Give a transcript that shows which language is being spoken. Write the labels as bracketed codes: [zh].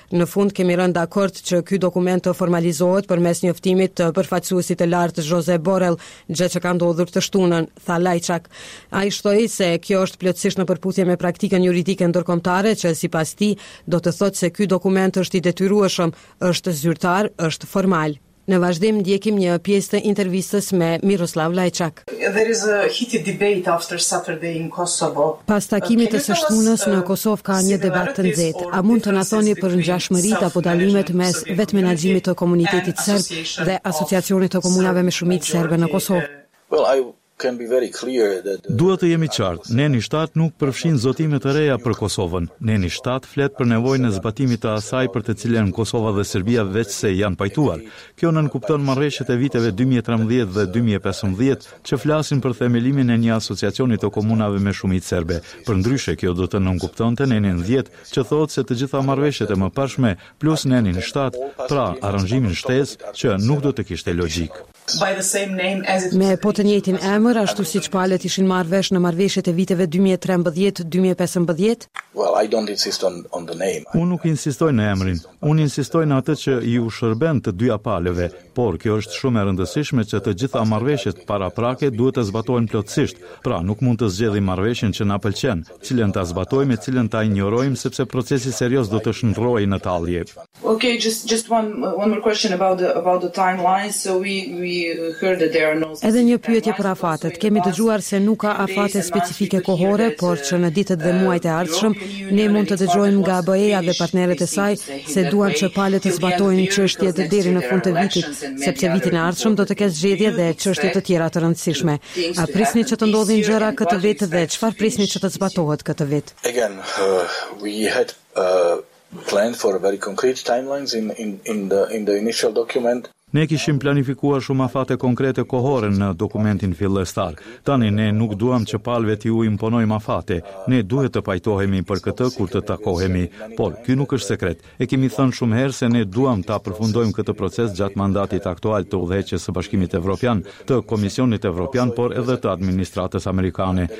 [sq] Në fund kemi rënë dakord që ky dokument të formalizohet përmes njoftimit të përfaqësuesit të lartë Jose Borrell, gjë që ka ndodhur të shtunën, tha Lajçak. Ai shtoi se kjo është plotësisht në përputhje me praktikën juridike ndërkombëtare që sipas tij do të thotë se ky dokument është i detyrueshëm, është zyrtar, është formal. Në vazhdim ndjekim një pjesë të intervistës me Miroslav Lajçak. [en] There is a heated debate after Saturday in Kosovo. [sq] Pas takimit të së shtunës në Kosovë ka një debat të nxehtë. A mund të na thoni për ngjashmëritë apo dallimet mes vetë menaxhimit të komunitetit serb dhe asociacionit të komunave me shumicë serbe në Kosovë? [en] Well, I can be very clear that [sq] duhet të jemi qartë. Neni 7 nuk përfshin zotime të reja për Kosovën. Neni 7 flet për nevojën e zbatimit të asaj për të cilën Kosova dhe Serbia vetëse janë pajtuar. Kjo nënkupton marrëveshjet e viteve 2013 dhe 2015 që flasin për themelimin e një asociacioni të komunave me shumicë serbe. Përndryshe, kjo do të nënkuptonte nenin 10, që thot se të gjitha marrëveshjet e mëparshme plus nenin 7, pra aranzhimin shtesë që nuk do të kishte logjik. [en] By the same name as it [sq] me po të njëjtin emër, ashtu siç palët ishin marrë vesh në marrëveshjet e viteve 2013-2015. [en] Well, I don't insist on the name. [sq] Unë nuk insistoj në emrin. Unë insistoj në atë që ju shërben të dyja palëve, por kjo është shumë e rëndësishme që të gjitha marrëveshjet paraprake duhet të zbatohen plotësisht. Pra, nuk mund të zgjedhim marrëveshjen që na pëlqen, cilën ta zbatojmë, cilën ta ignorojmë sepse procesi serioz do të shndrohej në tallje. [en] Okay, just one more question about the timeline. So we [sq] edhe një pyetje për afatet. Kemi dëgjuar se nuk ka afate specifike kohore, por që në ditët dhe muajt e ardhshëm, ne mund të dëgjojmë nga BE-ja dhe partneret e saj se duan që palët të zbatojnë çështjet deri në fund të vitit, sepse vitin e ardhshëm do të ketë zgjedhje dhe çështje të tjera të rëndësishme. A prisni që të ndodhin gjëra këtë vit dhe çfarë prisni që të zbatohet këtë vit? [en] Again, we had planned for very concrete timelines in the initial document. [sq] Ne kishim planifikuar shumë afate konkrete kohore në dokumentin fillestar. Tani ne nuk duam që palëve t'ju imponojmë afate. Ne duhet të pajtohemi për këtë kur të takohemi. Por ky nuk është sekret. E kemi thënë shumë herë se ne duam ta përfundojmë këtë proces gjatë mandatit aktual të Udhëheqjes së Bashkimit Evropian, të Komisionit Evropian, por edhe të administratës amerikane.